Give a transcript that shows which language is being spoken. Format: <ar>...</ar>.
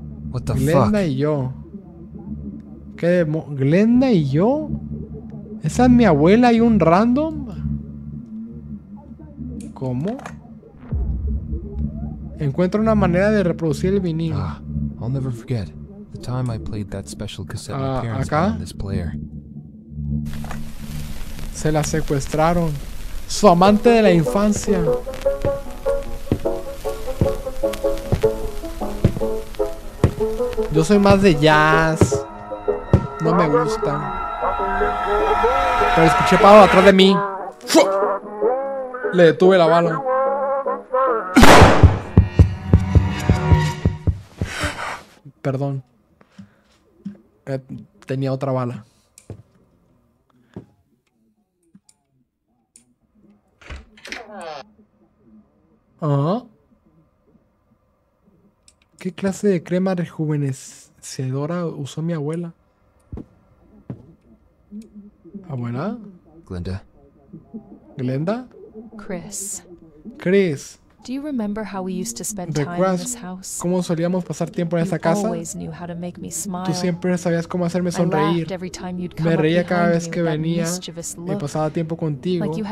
<en>What the Glenda fuck?</en> <es>Y yo. ¿Qué demonios? ¿Glenda y yo? ¿Esa es mi abuela y un random? ¿Cómo? Encuentro una manera de reproducir el vinil. Ah,</es> <en>I'll never forget the time I played that special cassette my parents</en> <es>acá?</es> <en>Found this player.</en> <es>Se la secuestraron. Su amante de la infancia. Yo soy más de jazz. No me gusta. Pero escuché pájaro atrás de mí. ¡Fu! Le detuve la bala. Perdón. Tenía otra bala. ¿Ah? ¿Qué clase de crema rejuvenecedora usó mi abuela? ¿Abuela? Glenda. ¿Glenda? Chris. Chris.</es> <en>Do you remember how we used to spend time in this house?</en> <es>¿Cómo solíamos pasar tiempo en esta casa? Tú siempre sabías cómo hacerme sonreír. Me reía cada vez que venía y pasaba tiempo contigo.</es>